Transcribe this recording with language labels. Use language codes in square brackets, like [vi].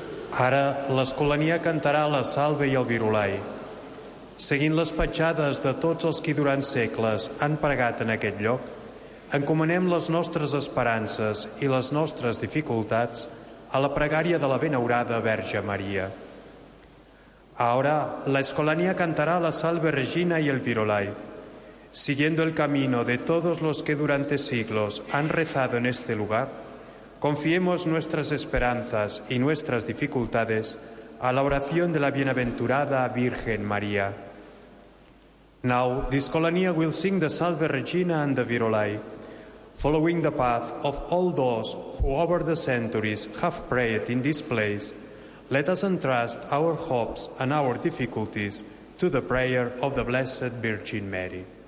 [ca] Ara, l'Escolania cantarà la Salve i el Virolai, seguint les petjades de tots els qui durant segles han pregat en aquest lloc, encomanem les nostres esperances i les nostres dificultats a la pregària de la benaurada Verge Maria. Ara, l'Escolania cantarà la Salve Regina i el Virolai, [es] siguiendo el camino de todos los que durante siglos han rezado en este lugar, confiemos nuestras esperanzas y nuestras dificultades a la oración de la bienaventurada Virgen María. [en] Now, the Scolania will sing the Salve Regina and the Virolai, following the path of all those who over the centuries have prayed in this place. Let us entrust our hopes and our difficulties to the prayer of the Blessed Virgin Mary.